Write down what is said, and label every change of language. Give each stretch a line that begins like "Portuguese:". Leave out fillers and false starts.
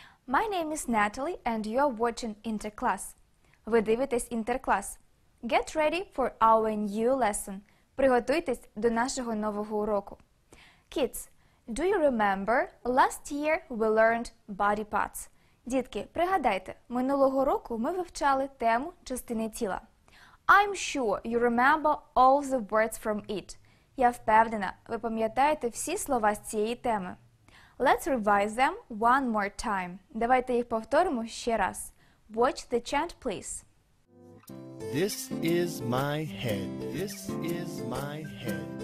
English: My name is Natalie, and you are watching Interclass.
Ukrainian: Ви дивитесь
English: Interclass. Get ready for our new lesson.
Ukrainian: Приготуйтесь до нашого нового уроку.
English: Kids, do you remember last year we learned body parts?
Ukrainian: Дітки, пригадайте, минулого року ми вивчали тему частини тіла.
English: I'm sure you remember all the words from it.
Ukrainian: Я впевнена, ви пам'ятаєте всі слова з цієї теми.
English: Let's revise them one more time.
Ukrainian: Давайте їх повторимо ще раз.
English: Watch the chant, please. This is my head. This is my head.